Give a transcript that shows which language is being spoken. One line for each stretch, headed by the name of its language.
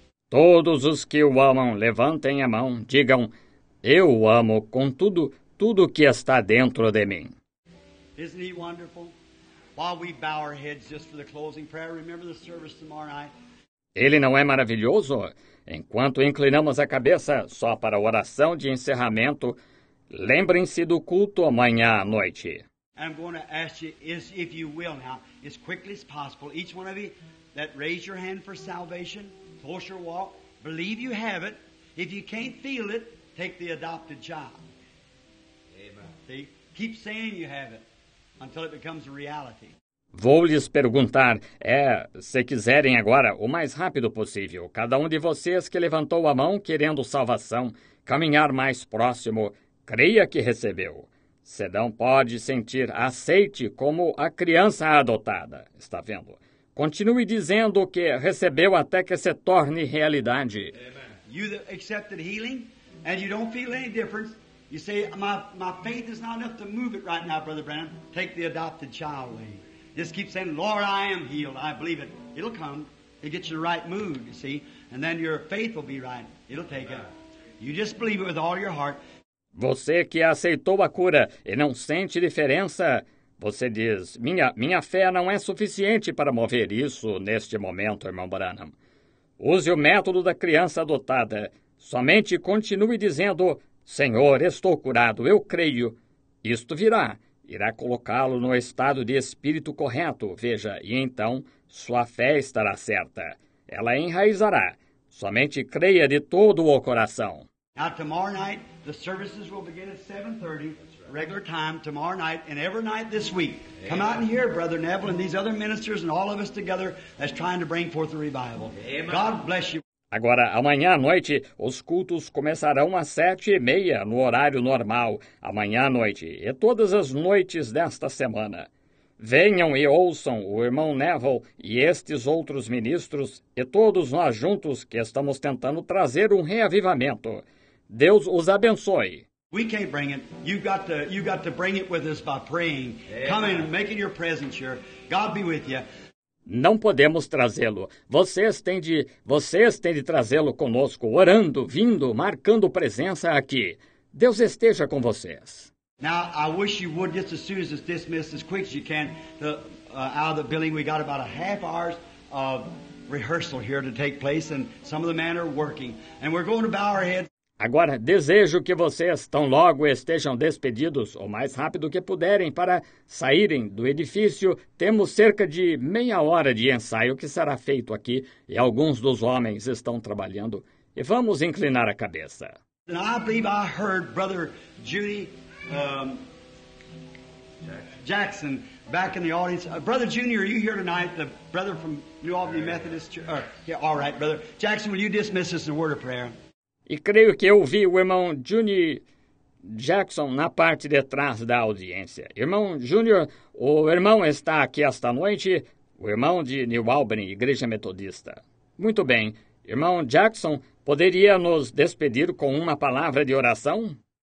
Portuguese: Todos os que o amam, levantem a mão, digam, eu o amo com tudo, tudo que está dentro de mim.
English: Isn't he wonderful? While we bow our heads just for the closing prayer, remember the service tomorrow night.
Portuguese: Ele não é maravilhoso? Enquanto inclinamos a cabeça só para a oração de encerramento, lembrem-se do culto amanhã à noite.
English: I'm going to ask you, if you will now, as quickly as possible, each one of you that raise your hand for salvation, close your walk, believe you have it. If you can't feel it, take the adopted job. Amen. See? Keep saying you have it until it becomes a reality.
Portuguese: Vou lhes perguntar, se quiserem agora, o mais rápido possível, cada um de vocês que levantou a mão querendo salvação, caminhar mais próximo, creia que recebeu. Se não pode sentir, aceite como a criança adotada. Está vendo? Continue dizendo o que recebeu até que se torne realidade. Amen.
English: You accepted healing and you don't feel any difference. You say, my faith is not enough to move it right now, Brother Branham. Take the adopted child away. Just keep saying, Lord, I am healed. I believe it. It'll come. It gets you the right mood, you see. And then your faith will be right. It'll take it. You just believe it with all your heart.
Portuguese: Você que aceitou a cura e não sente diferença, você diz, minha fé não é suficiente para mover isso neste momento, irmão Branham. Use o método da criança adotada. Somente continue dizendo, Senhor, estou curado, eu creio. Isto virá. Irá colocá-lo no estado de espírito correto, veja, e então sua fé estará certa. Ela enraizará. Somente creia de todo o coração.
English: Now, tomorrow night, the services will begin at 7:30, regular time, tomorrow night, and every night this week. Amen. Come out and hear, Brother Neville, and these other ministers, and all of us together, that's trying to bring forth a revival. Amen. God bless you.
Portuguese: Agora, amanhã à noite, os cultos começarão às 7:30, no horário normal, amanhã à noite, e todas as noites desta semana. Venham e ouçam o irmão Neville e estes outros ministros e todos nós juntos que estamos tentando trazer um reavivamento. Deus os abençoe.
English: We can't bring it. You've got to bring it with us by praying. Amen. Come in, making your presence here. God be with you.
Portuguese: Não podemos trazê-lo. Vocês têm de trazê-lo conosco, orando, vindo, marcando presença aqui. Deus esteja com vocês.
English: Now, I wish you would, just as soon as it's dismissed, as quick as you can, out of the building. We got about a half hour of rehearsal here to take place, and some of the men are working. And we're going to bow our heads.
Portuguese: Agora, desejo que vocês tão logo estejam despedidos, o mais rápido que puderem, para saírem do edifício. Temos cerca de meia hora de ensaio que será feito aqui, e alguns dos homens estão trabalhando. E vamos inclinar a cabeça.
English: And I believe I heard Brother Judy Jackson back in the audience. Brother Junior, are you here tonight? The brother from New Albany Methodist Church? All right, Brother Jackson, will you dismiss us in a word of prayer?
Portuguese: E creio que eu vi o irmão Junior Jackson na parte de trás da audiência. Irmão Junior, o irmão está aqui esta noite, o irmão de New Albany, Igreja Metodista. Muito bem. Irmão Jackson, poderia nos despedir com uma palavra de oração?